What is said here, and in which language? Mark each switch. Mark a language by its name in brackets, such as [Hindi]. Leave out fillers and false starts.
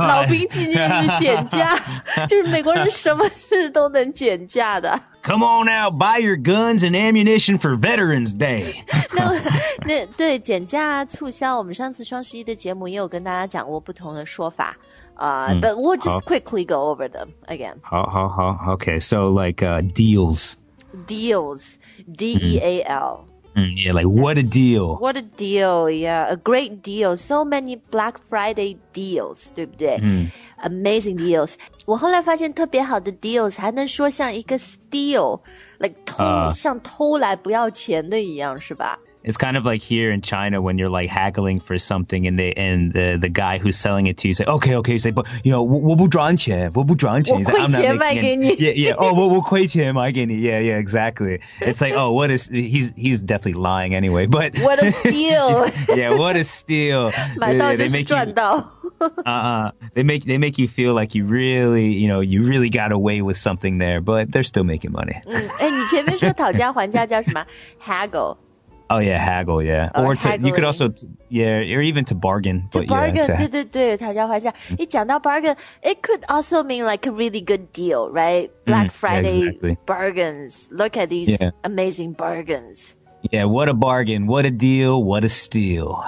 [Chinese] 老兵纪念日减价，就是美国人什么事都能减价的。 [English] Come on now, buy your guns and ammunition for Veterans Day. [Chinese] 那对减价促销，我们上次双十一的节目也有跟大家讲过不同的说法。 [English] But we'll just quickly go over them again. 好 okay. So like deals. Deals. D-E-A-L. Yeah, like, what a deal. What a deal, yeah. A great deal. So many Black Friday deals, [Chinese] 对不对？ [English] Amazing deals. [Chinese] 我后来发现特别好的 deals 还能说像一个 [English] steal, like [Chinese] 偷,像偷来不要钱的一样，是吧？ [English] It's kind of like here in China when you're like haggling for something and the guy who's selling it to you say, okay, say, but you know, [Chinese] 我不赚钱, [English] he's like, I'm not making any. Yeah, [Chinese] 我亏钱卖给你, [English] yeah, exactly. It's like, oh, what is, he's definitely lying anyway, but. What a steal. Yeah, what a steal. [Chinese] 买到就是赚到。 [English] They make you feel like you really, you know, you really got away with something there, but they're still making money. [Chinese] 你前面说讨价还价叫什么? [English] Haggle. Oh, yeah, haggle, yeah. Or to, you could also, yeah, or even to bargain. To bargain, [Chinese] 对对对，讨价还价。一讲到 [English] bargain, it could also mean like a really good deal, right? Black Friday bargains. Look at these amazing bargains. Yeah, what a bargain, what a deal, what a steal.